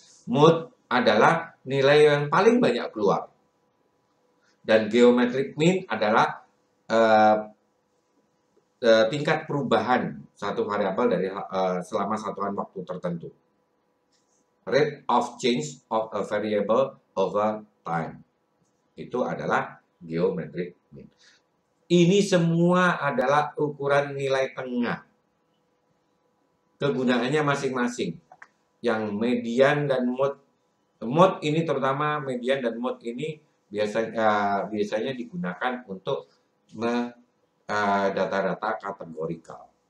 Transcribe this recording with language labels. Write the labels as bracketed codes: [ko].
[id] Mode adalah nilai yang paling banyak keluar. Dan geometric mean adalah tingkat perubahan satu variabel dari selama satuan waktu tertentu. [en] Rate of change of a variable over time. [id] Itu adalah geometric mean. Ini semua adalah ukuran nilai tengah. Kegunaannya masing-masing. Yang median dan mode. Mode ini terutama median dan mode ini biasanya digunakan untuk data-data kategorikal.